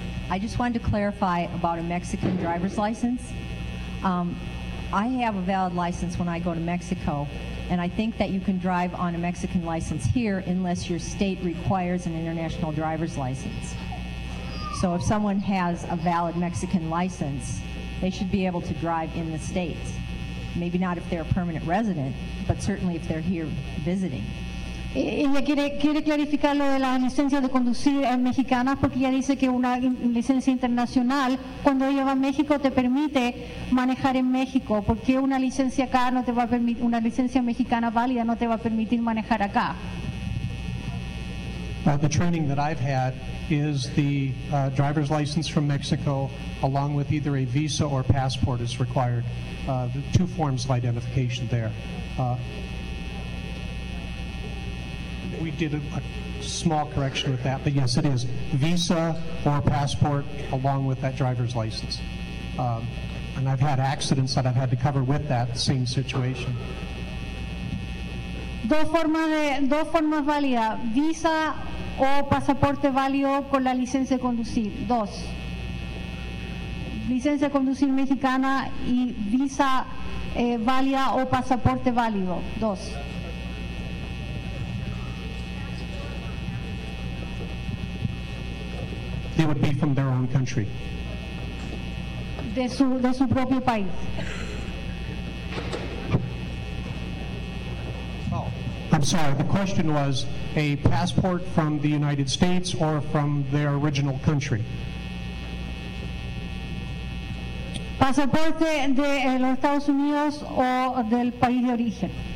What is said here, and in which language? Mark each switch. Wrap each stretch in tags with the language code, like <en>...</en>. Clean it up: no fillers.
<en>I just wanted to clarify about a Mexican driver's license. I have a valid license when I go to Mexico, and I think that you can drive on a Mexican license here unless your state requires an international driver's license. So if someone has a valid Mexican license, they should be able to drive in the states. Maybe not if they're a permanent resident, but certainly if they're here visiting.</en> <es>Ella quiere clarificar lo de la licencia de conducir en mexicana porque ella dice que una licencia internacional cuando ella va a México te permite manejar en México. ¿Por qué una licencia acá no te va a permitir, una licencia mexicana válida no te va a permitir manejar acá?</es> <en>The training that I've had is the driver's license from Mexico along with either a visa or passport is required. The two forms of identification there. We did a small correction with that, but yes, it is visa or passport along with that driver's license. And I've had accidents that I've had to cover with that same situation.</en> <es>Dos formas válidas, visa o pasaporte válido con la licencia de conducir. Dos. Licencia de conducir mexicana y visa válida o pasaporte válido. Dos.</es> <en>They would be from their own country.</en> <es>De su propio país.</es> <en>Oh, I'm sorry. The question was a passport from the United States or from their original country.</en> <es>Pasaporte de los Estados Unidos o del país de origen.</es>